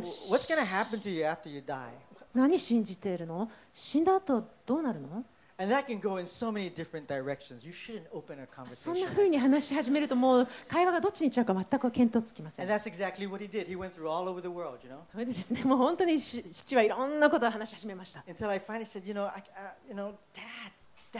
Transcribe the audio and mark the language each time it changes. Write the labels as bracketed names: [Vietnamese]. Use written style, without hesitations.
[English] What's going to happen to you after you die? [Japanese] 何信じているの？死んだ後どうなるの？ [English] And that can go in so many different directions. You shouldn't open a conversation. [Japanese] そんな風に話し始めるともう会話がどっちに行っちゃうか全く見当つきません。 [English] And that's exactly what he did. He went through all over the world, you know? [Japanese] それでですね、もう本当に父はいろんなことを話し始めました。 [English] Until I finally said, you know, Dad, Dad.